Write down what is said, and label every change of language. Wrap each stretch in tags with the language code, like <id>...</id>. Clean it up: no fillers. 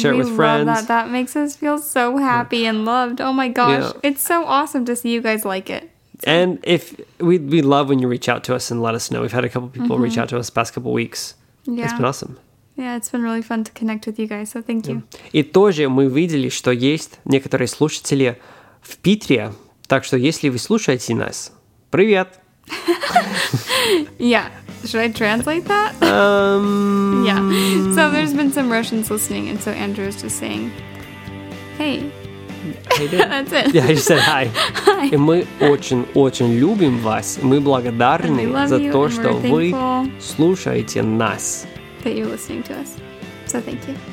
<en>Share it with friends. Love that. That makes us feel so happy and loved. Oh my gosh. Yeah. It's so awesome to see you guys like it. And if we love when you reach out to us and let us know. We've had a couple people mm-hmm. reach out to us the past couple weeks. Yeah. It's been awesome. Yeah, it's been really fun to connect with you guys. So thank you.</en> <ru>И тоже мы видели, что есть некоторые слушатели в Питере. Так что если вы слушаете нас, привет.</ru> <en>Yeah. Should I translate that? Yeah. So there's been some Russians listening, and so Andrew is just saying, hey. That's it. Yeah, I just said hi. Hi.</en> <ru>И мы очень-очень любим вас. Мы благодарны за то, что вы слушаете нас.</ru> <en>That you're listening to us. So thank you.</en>